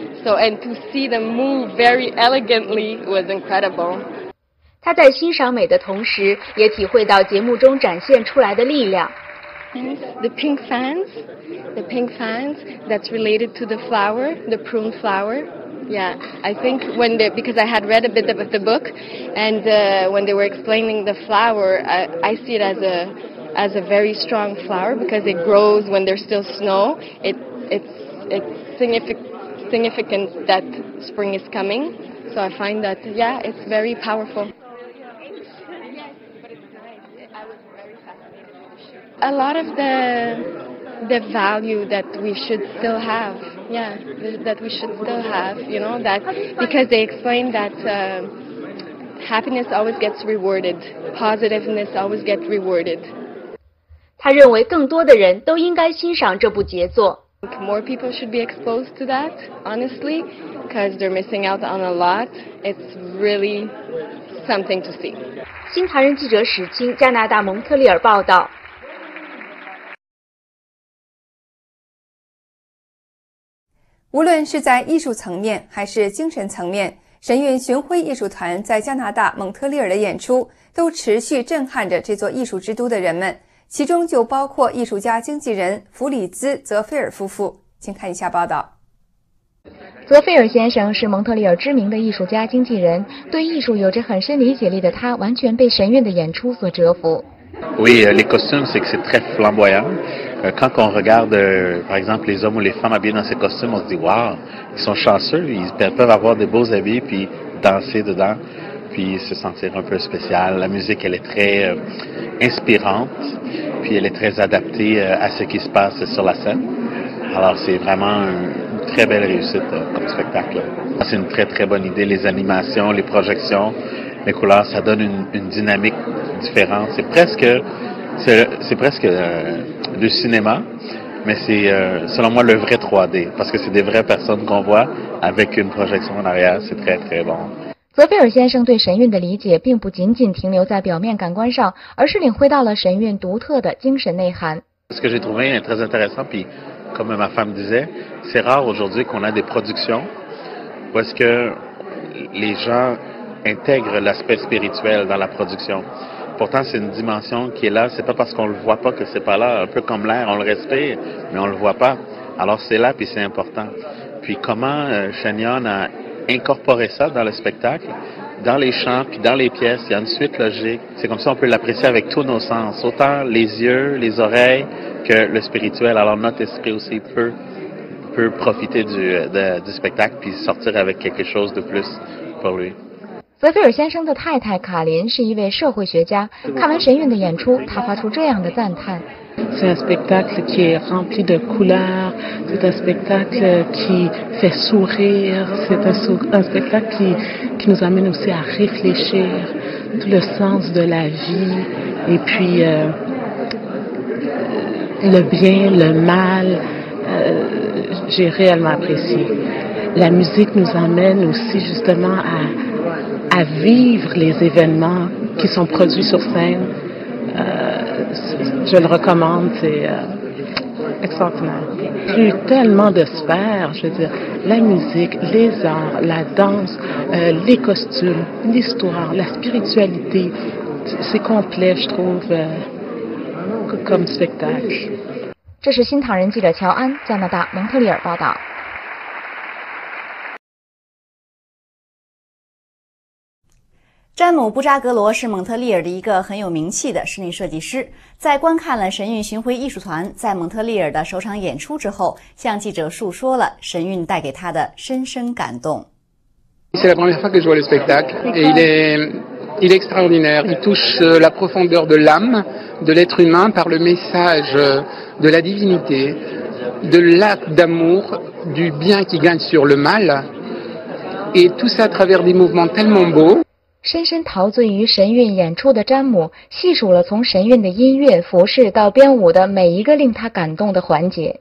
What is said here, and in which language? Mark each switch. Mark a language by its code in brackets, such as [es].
[en] So, and to see them move very elegantly was incredible. [zh] 他在欣赏美的同时，也体会到节目中展现出来的力量。 [en] The pink fans, that's related to the flower, the prune flower. Yeah, I think because I had read a bit of the book, and when they were explaining the flower, I see it as a very strong flower because it grows when there's still snow. It's significant that spring is coming. So I find that, yeah, it's very powerful. A lot of the value that we should still have, yeah, that we should still have, you know, that because they explain that happiness always gets rewarded, positiveness always gets rewarded. [zh] 他认为更多的人都应该欣赏这部杰作。 [en] More people should be exposed to that, honestly, because they're missing out on a lot. It's really something to see. [zh] 新唐人记者史青，加拿大蒙特利尔报道。无论是在艺术层面还是精神层面，神韵巡回艺术团在加拿大蒙特利尔的演出都持续震撼着这座艺术之都的人们。其中就包括艺术家经纪人弗里兹·泽菲尔夫妇。请看一下报道。泽菲尔先生是蒙特利尔知名的艺术家经纪人，对艺术有着很深理解力的他完全被神韵的演出所折服。 [fr] Oui, les costumes, c'est que c'est très flamboyant. Quand on regarde, par exemple, les hommes ou les femmes habillés dans ces costumes, on se dit, waouh, ils sont chanceux, ils peuvent avoir de beaux habits, puis danser dedans, puis se sentir un peu spécial. La musique, elle est très inspirante, puis elle est très adaptée à ce qui se passe sur la scène. Alors, c'est vraiment une très belle réussite comme spectacle. C'est une très, très bonne idée, les animations, les projections. Les couleurs, ça donne une dynamique différente. C'est presque du cinéma, mais c'est selon moi le vrai 3D, parce que c'est des vraies personnes qu'on voit avec une projection en arrière. C'est très, très bon. [zh] 泽菲尔先生对神韵的理解并不仅仅停留在表面感官上，而是领会到了神韵独特的精神内涵。 [fr] Ce que j'ai trouvé est très intéressant, puis comme ma femme disait, c'est rare aujourd'hui qu'on a des productions où est-ce que les gensintègre l'aspect spirituel dans la production. Pourtant, c'est une dimension qui est là. C'est pas parce qu'on le voit pas que c'est pas là. Un peu comme l'air, on le respire, mais on le voit pas. Alors, c'est là, puis c'est important. Puis, comment Shenyon a incorporé ça dans le spectacle, dans les chants, puis dans les pièces, il y a une suite logique. C'est comme ça qu'on peut l'apprécier avec tous nos sens, autant les yeux, les oreilles, que le spirituel. Alors, notre esprit aussi peut profiter du spectacle, puis sortir avec quelque chose de plus pour lui. [zh] 泽菲尔先生的太太卡琳是一位社会学家，看完神韵的演出，她发出这样的赞叹。 [fr] C'est un spectacle qui est rempli de couleurs, c'est un spectacle qui fait sourire, c'est un spectacle qui nous amène aussi à réfléchir tout le sens de la vie et puis le bien, le mal, j'ai réellement apprécié. La musique nous amène aussi justement à vivre les événements qui sont produits sur scène. Je le recommande, c'est extraordinaire. Il y a eu tellement de sphères, je veux dire, la musique, les arts, la danse, les costumes, l'histoire, la spiritualité, c'est complet, je trouve, comme spectacle. [zh] 这是新唐人记者乔安，加拿大蒙特利尔报道。詹姆·布扎格罗是蒙特利尔的一个很有名气的室内设计师，在观看了神韵巡回艺术团在蒙特利尔的首场演出之后，向记者述说了神韵带给他的深深感动。 [fr] C'est la première fois que je vois le spectacle et il est extraordinaire. Il touche la profondeur de l'âme de l'être humain par le message de la divinité, de l'acte d'amour, du bien qui gagne sur le mal, et tout ça à travers des mouvements tellement beaux. [zh] 深深陶醉于神韵演出的詹姆细数了从神韵的音乐、服饰到编舞的每一个令他感动的环节。